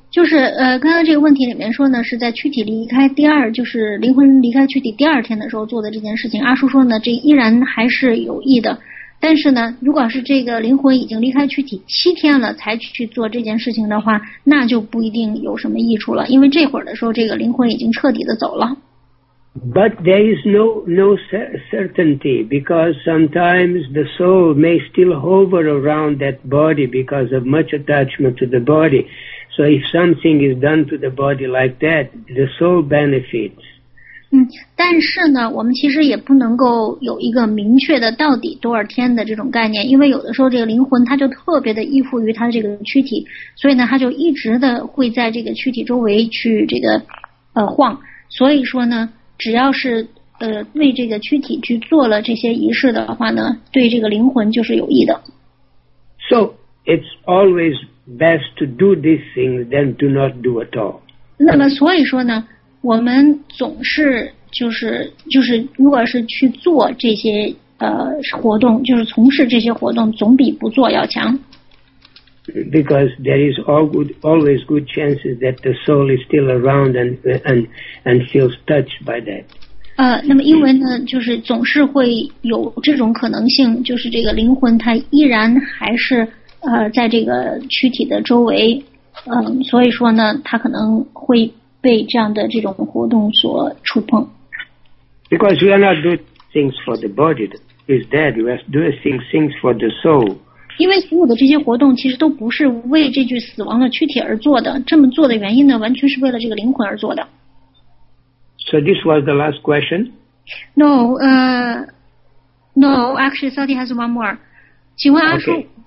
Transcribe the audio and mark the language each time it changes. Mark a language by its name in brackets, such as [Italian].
[Chinese] 就是刚刚这个问题里面说呢，是在躯体离开第二，就是灵魂离开躯体第二天的时候做的这件事情。阿叔说呢，这依然还是有益的。但是呢，如果是这个灵魂已经离开躯体7天了才去做这件事情的话，那就不一定有什么益处了，因为这会儿的时候这个灵魂已经彻底的走了。 [English] But there is no certainty because sometimes the soul may still hover around that body because of much attachment to the body. So if something is done to the body like that, the soul benefits. [Chinese] 但是呢，我们其实也不能够有一个明确的到底多少天的这种概念，因为有的时候这个灵魂它就特别的依附于它这个躯体，所以呢，它就一直的会在这个躯体周围去晃。所以说呢。只要是为这个躯体去做了这些仪式的话呢，对这个灵魂就是有益的。 [English] So it's always best to do these things than to not do at all. [Chinese] 那么所以说呢，我们总是就是如果是去做这些活动，就是从事这些活动，总比不做要强。 [English] Because there is always good chances that the soul is still around and feels touched by that. [Chinese] 那么因为呢，就是总是会有这种可能性，就是这个灵魂它依然还是在这个躯体的周围，所以说呢，它可能会被这样的这种活动所触碰。 [English] Because we are not doing things for the body that is dead, we are doing things for the soul. [Chinese] 因为所有的这些活动其实都不是为这具死亡的躯体而做的，这么做的原因呢，完全是为了这个灵魂而做的。 [English] So this was the last question? No, actually, Sati has one more. [Chinese] 请问阿叔、 [English] okay.